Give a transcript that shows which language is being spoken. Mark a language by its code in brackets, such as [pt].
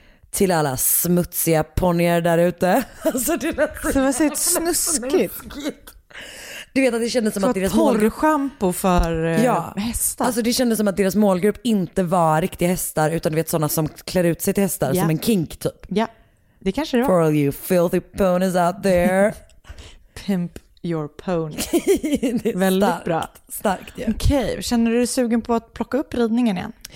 [sv] Till alla smutsiga ponyer där ute. Alltså det var så ett snuskigt. Du vet att det kändes som så att deras målgrupp... Shampoo för hästar. Alltså det kändes som att deras målgrupp inte var riktiga hästar utan du vet sådana som klär ut sig till hästar som en kink typ. Ja, det kanske det var. [en] For all you filthy ponies out there. Pimp your pony. [sv] Det är väldigt starkt, bra. Starkt, ja. Okej, känner du dig sugen på att plocka upp ridningen igen?